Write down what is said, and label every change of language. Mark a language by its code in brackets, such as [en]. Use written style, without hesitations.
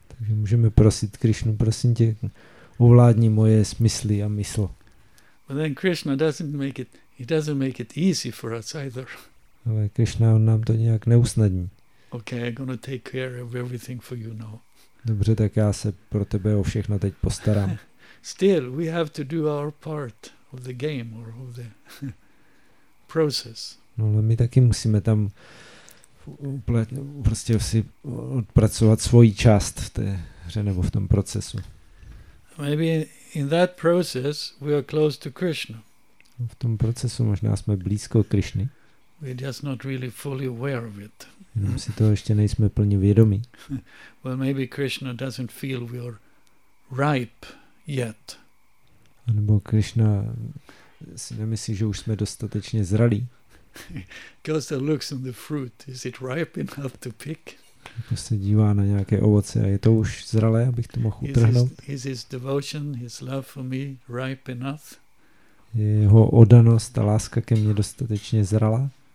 [cs] Takže můžeme prosit Krishnu, prosím tě, ovládni moje smysly a mysl. [en] But then Krishna doesn't make it easy for us either. [cs] Ale Krishna nám to nějak neusnadní. [en] Okay, I'm going to take care of everything for you now. [cs] Dobře, tak já se pro tebe o všechno teď postarám. [en] Still, we have to do our part of the game or of the process. [cs] No, ale my taky musíme tam prostě si odpracovat svoji část v té hře nebo v tom procesu. [en] Maybe in that process we are close to Krishna. [cs] V tom procesu možná jsme blízko Krishny. [en] We are just not really fully aware of it. [cs] Jenom si toho ještě nejsme plně vědomí. [en] Well, maybe Krishna doesn't feel we are ripe yet. [cs] A nebo Krishna si nemyslí, že už jsme dostatečně zralí. [en] Because he looks on the fruit, is it ripe enough to pick? [cs] Když se dívá na nějaké ovoce, a je to už zralé, abych to mohl utrhnout? [en] Is his devotion, his love for me ripe enough? [cs] Je jeho odanost a láska ke mně dostatečně zralá?